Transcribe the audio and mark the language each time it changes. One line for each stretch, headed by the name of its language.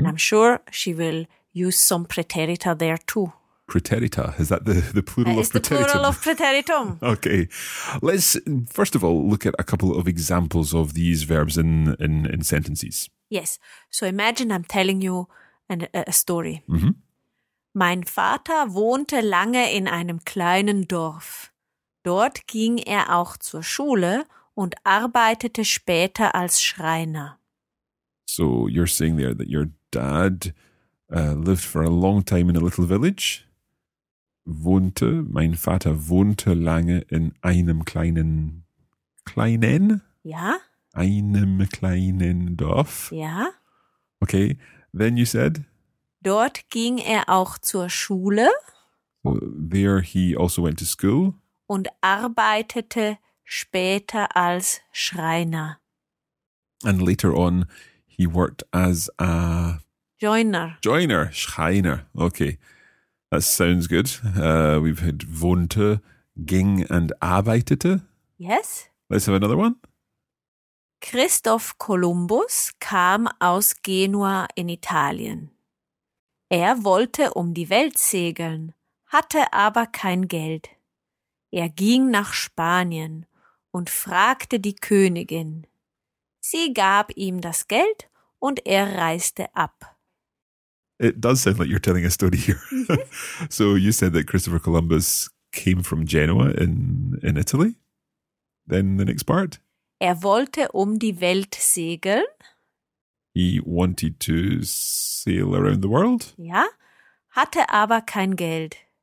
English: And I'm sure she will use some preterita there too. Preterita, is that the plural of preteritum? It's the plural of preteritum. Okay. Let's, first of all, look at a couple of examples of these verbs in sentences. Yes. So imagine I'm telling you a story. Mm-hmm.
German: Mein Vater wohnte lange in einem kleinen Dorf. Dort ging er auch zur Schule und arbeitete später als Schreiner.
English: So you're saying there that your dad lived for a long time in a little village.
German: Wohnte, mein Vater wohnte lange in einem kleinen? Ja. Einem kleinen Dorf. Ja.
English: Okay, then you said?
German: Dort ging er auch zur Schule.
English: So there he also went to school.
German: Und arbeitete später als Schreiner.
English: And later on, he worked as a... Joiner, Schreiner. Okay, that sounds good. We've had wohnte, ging and arbeitete. Yes. Let's have another one.
German: Christoph Kolumbus kam aus Genua in Italien. Er wollte um die Welt segeln, hatte aber kein Geld. Er ging nach Spanien und fragte die Königin. Sie gab ihm das Geld und er reiste ab.
English: It does sound like you're telling a story here. So you said that Christopher Columbus came from Genoa in Italy. Then the next part.
German: Er wollte um die Welt segeln.
English: He wanted to sail around the world.
German: Ja, hatte aber kein Geld.